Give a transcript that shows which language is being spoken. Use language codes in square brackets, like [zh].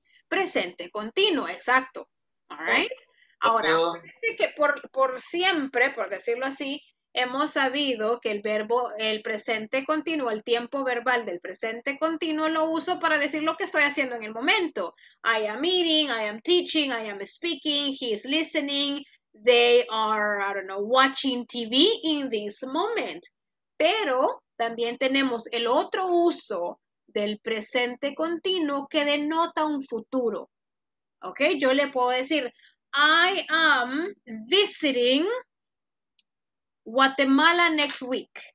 [es] Presente continuo, exacto. [en] All right. [es] Ahora, parece que por siempre, por decirlo así, hemos sabido que el verbo, el presente continuo, el tiempo verbal del presente continuo lo uso para decir lo que estoy haciendo en el momento. [en] I am eating, I am teaching, I am speaking, he is listening, they are, I don't know, watching TV in this moment. [es] Pero también tenemos el otro uso del presente continuo que denota un futuro. Okay, yo le puedo decir, [en] I am visiting Guatemala next week.